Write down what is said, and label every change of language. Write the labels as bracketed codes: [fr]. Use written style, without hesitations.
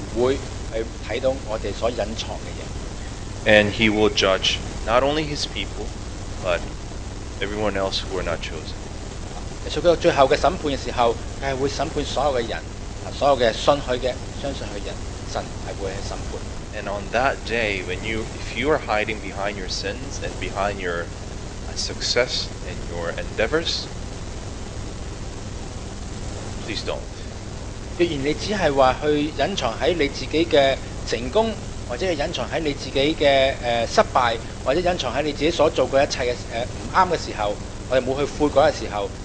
[zh] 在最后的审判，耶稣基督会看到我们所隐藏的。 [en] And He will judge not only His people, but everyone else who are not chosen. [zh] 耶稣基督最后的审判的时候，他会审判所有的人，所有的信他的，相信他的人，神是会审判。 [en] And on that day, if you are hiding behind your sins and behind your success and your endeavors, please don't. [zh] 若然你只是说去隐藏在你自己的成功，或者隐藏在你自己的失败，或者隐藏在你自己所做的一切的不对的时候，或者没有去悔改的时候。